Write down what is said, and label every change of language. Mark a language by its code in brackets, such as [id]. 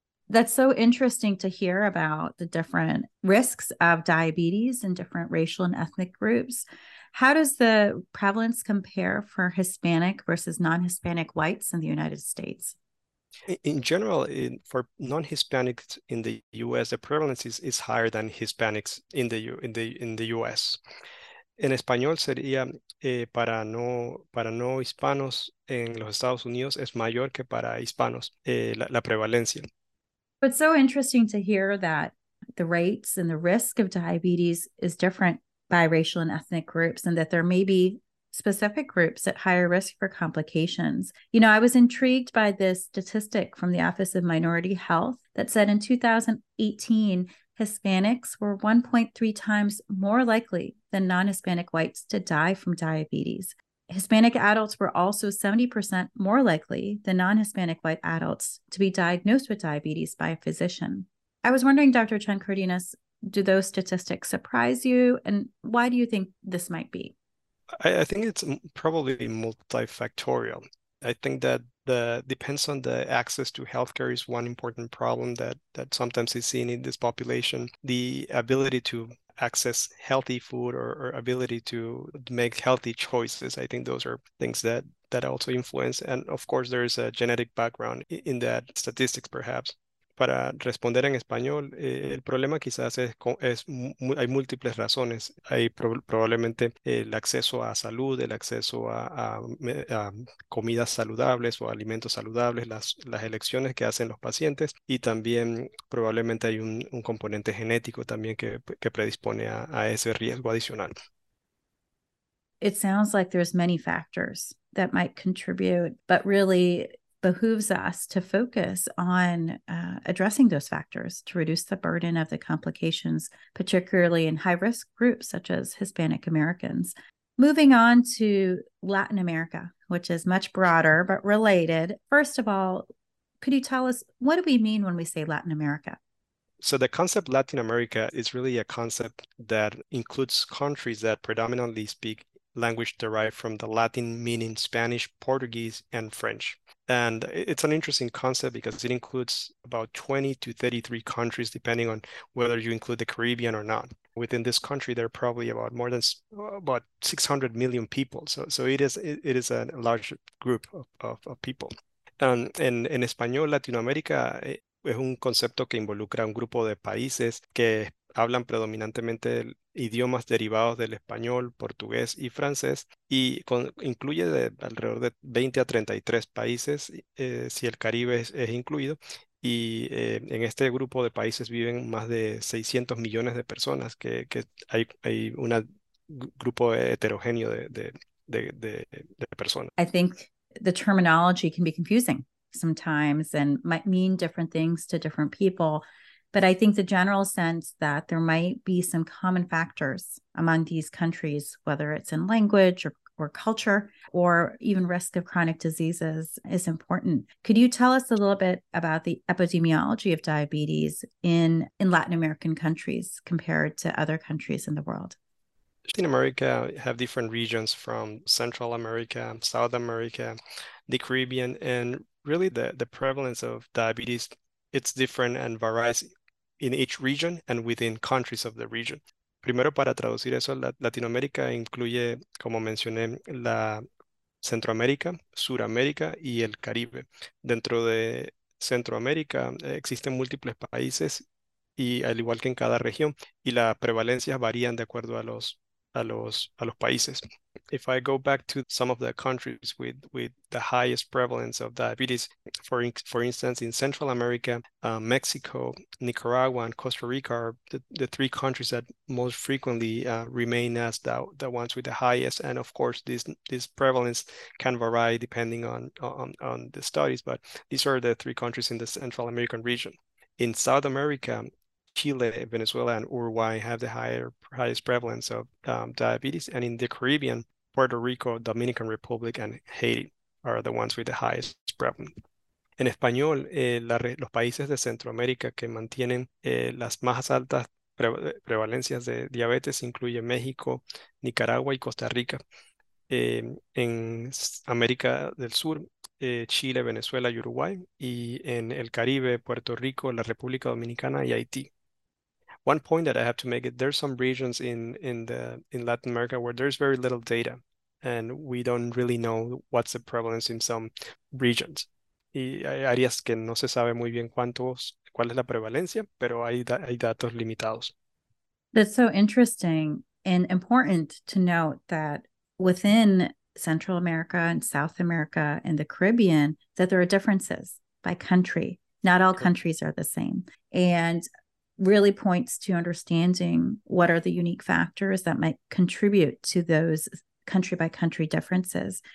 [en] That's so interesting to hear about the different risks of diabetes in different racial and ethnic groups. How does the prevalence compare for Hispanic versus non-Hispanic whites in the United States? In general, for non-Hispanics in the U.S., the prevalence is higher than Hispanics in the U.S. [es] En español sería para no hispanos en los Estados Unidos es mayor que para hispanos la prevalencia. [en] But so interesting to hear that the rates and the risk of diabetes is different by racial and ethnic groups, and that there may be specific groups at higher risk for complications. You know, I was intrigued by this statistic from the Office of Minority Health that said in 2018, Hispanics were 1.3 times more likely than non-Hispanic whites to die from diabetes. Hispanic adults were also 70% more likely than non-Hispanic white adults to be diagnosed with diabetes by a physician. I was wondering, Dr. Chen Cardenas, do those statistics surprise you? And why do you think this might be? I think it's probably multifactorial. I think that the depends on the access to healthcare is one important problem that sometimes is seen in this population. The ability to access healthy food or ability to make healthy choices, I think those are things that also influence. And of course, there is a genetic background in that statistics, perhaps. [es] Para responder en español, el problema quizás es hay múltiples razones. Hay probablemente el acceso a salud, el acceso a comidas saludables o alimentos saludables, las elecciones que hacen los pacientes, y también probablemente hay un componente genético también que predispone a ese riesgo adicional. [en] It sounds like there's many factors that might contribute, but really behooves us to focus on addressing those factors to reduce the burden of the complications, particularly in high-risk groups such as Hispanic Americans. Moving on to Latin America, which is much broader but related. First of all, could you tell us, what do we mean when we say Latin America? So the concept Latin America is really a concept that includes countries that predominantly speak language derived from the Latin meaning Spanish, Portuguese, and French. And it's an interesting concept because it includes about 20 to 33 countries, depending on whether you include the Caribbean or not. Within this country, there are probably about more than about 600 million people. So it is a large group of people. And in [es] Español, Latinoamérica es un concepto que involucra un grupo de países que hablan predominantemente idiomas derivados del español, portugués y francés, y incluye de alrededor de 20 a 33 países, si el Caribe es incluido, y en este grupo de países viven más de 600 millones de personas, que hay un grupo heterogéneo de personas. [en] I think the terminology can be confusing sometimes and might mean different things to different people. But I think the general sense that there might be some common factors among these countries, whether it's in language or culture or even risk of chronic diseases, is important. Could you tell us a little bit about the epidemiology of diabetes in Latin American countries compared to other countries in the world? Latin America have different regions from Central America, South America, the Caribbean, and really the prevalence of diabetes, it's different and varies in each region and within countries of the region. [es] Primero, para traducir eso, Latinoamérica incluye, como mencioné, la Centroamérica, Suramérica y el Caribe. Dentro de Centroamérica existen múltiples países y al igual que en cada región, y las prevalencias varían de acuerdo a los países. [en] If I go back to some of the countries with the highest prevalence of diabetes, for instance, in Central America, Mexico, Nicaragua, and Costa Rica are the three countries that most frequently remain as the ones with the highest. And of course, this prevalence can vary depending on the studies, but these are the three countries in the Central American region. In South America, Chile, Venezuela, and Uruguay have the highest prevalence of diabetes. And in the Caribbean, Puerto Rico, Dominican Republic, and Haiti are the ones with the highest prevalence. [es] En español, los países de Centroamérica que mantienen las más altas prevalencias de diabetes incluyen México, Nicaragua, y Costa Rica. En América del Sur, Chile, Venezuela, y Uruguay. Y en el Caribe, Puerto Rico, la República Dominicana, y Haití. [en] One point that I have to make it, there's some regions in Latin America where there's very little data and we don't really know what's the prevalence in some regions. [es] Y hay áreas que no se sabe muy bien cuál es la prevalencia, pero hay datos limitados. [en] That's so interesting and important to note that within Central America and South America and the Caribbean, that there are differences by country. Not all countries are the same. And really points to understanding what are the unique factors that might contribute to those country by country differences.